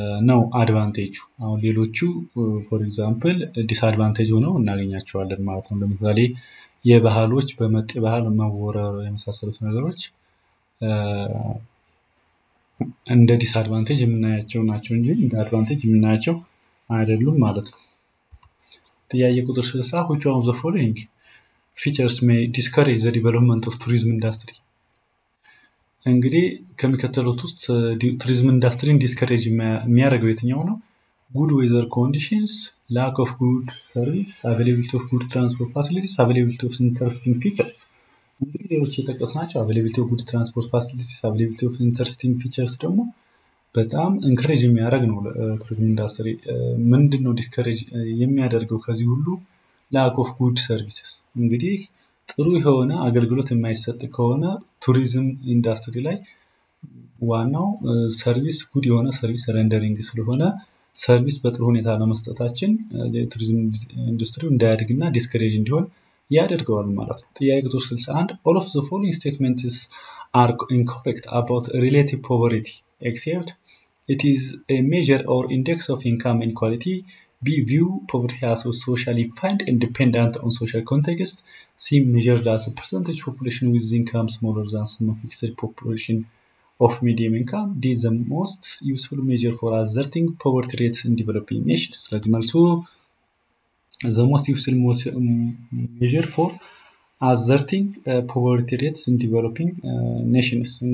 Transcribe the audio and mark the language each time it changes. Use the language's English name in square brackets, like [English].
[Amharic] ነው አድቫንቴጁ። አሁን ሌሎቹ [English] ፎር ኤግዛምፕል [Amharic] ዲስአድቫንቴጅ ሆነው እናገኛቸዋለን ማለት ነው። ለምሳሌ የባህሎች በመጤ ባህል መወረር የመሳሰሉት ነገሮች እንደ ዲስአድቫንቴጅ የምናያቸው ናቸው እንጂ እንደ አድቫንቴጅ የምናያቸው አይደሉም ማለት ነው። ጥያቄ ቁጥር 60 [English] which one of the following features may discourage the development of tourism industry? [Amharic] እንግዲህ ከሚከተሉት ውስጥ ቱሪዝም ኢንዱስትሪን ዲስከሬጅ የሚያደርገው የትኛው ነው? [English] good weather conditions, lack of good service, availability of good transport facilities, availability of interesting features. [Amharic] እንግዲህ ይህ የተቀሳናቸው [English] availability of good transport facilities, availability of interesting features [Amharic] ደግሞ በጣም እንከሬጅ የሚያደርግ ነው። ቱሪዝም ኢንዱስትሪ ምንድነው ዲስከሬጅ የሚያደርገው ከዚህ ሁሉ? [English] lack of good services. [Amharic] እንግዲህ ጥሩ የሆነ አገልግሎት የማይሰጥ ከሆነ ቱሪዝም ኢንዱስትሪ ላይ ዋናው ሰርቪስ ጉድ የሆነ ሰርቪስ ሬንደሪንግ ስለሆነ ሰርቪስ በጥሩ ሁኔታ ለማስተታችን ለቱሪዝም ኢንዱስትሪው እንዳያድግና ዲስከሬጅ እንዲሆን ያደርጋል ማለት ነው። ጥያቄ ቁጥር 61 [English] all of the following statements are incorrect about relative poverty except it is a measure or index of income inequality. B. View poverty as a socially defined and dependent on social context. C. Measured as a percentage population with income smaller than some fixed population of medium income. D. The most useful measure for asserting poverty rates in developing nations. Let's move to the most useful measure for asserting poverty rates in developing nations.